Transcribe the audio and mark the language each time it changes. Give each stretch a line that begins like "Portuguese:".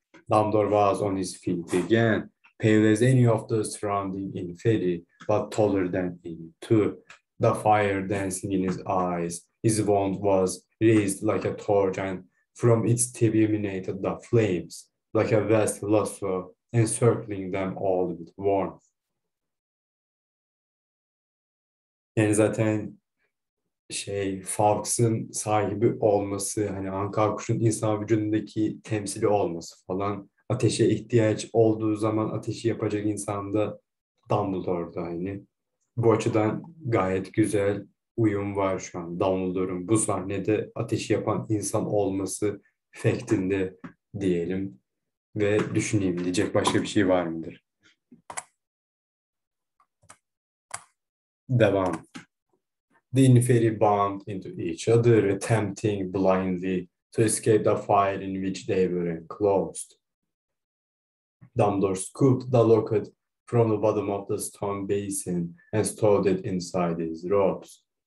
English: Dumbledore was on his feet again, pale as any of the surrounding inferi, but taller than him too, the fire dancing in his eyes. His wand was raised like a torch, and from its tip emanated the flames, like a vast lasso, encircling them all with warmth.
Turkish: Yani zaten şey, Fawkes'ın sahibi olması, hani Ankara kuşun insan vücudundaki temsili olması falan, ateşe ihtiyaç olduğu zaman ateşi yapacak insan da Dumbledore'da hani. Bu açıdan gayet güzel uyum var şu an Dumbledore'un bu sahnede ateşi yapan insan olması fektinde diyelim. Ve düşüneyim, diyecek başka bir şey var mıdır? Devam.
English: The inferi bound into each other, attempting blindly to escape the fire in which they were enclosed. Dumbledore scooped the locket from the bottom of the stone basin and stowed it inside his robes.